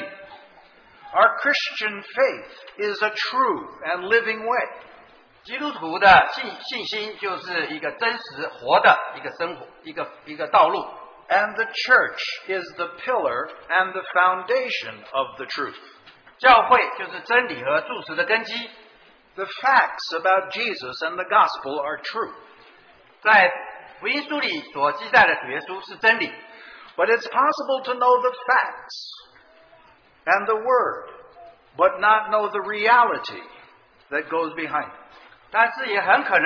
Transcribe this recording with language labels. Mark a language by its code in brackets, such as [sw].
[en] Our Christian faith is a true and living way. [zh] 基督徒的信心就是一个真实活的一个道路。 [en] And the church is the pillar and the foundation of the truth. [zh] 教会就是真理和柱石的根基。 [en] The facts about Jesus and the gospel are true. [zh] 在福音书里所记载的主耶稣是真理。 [en] But it's possible to know the facts and the word, but not know the reality that goes behind it.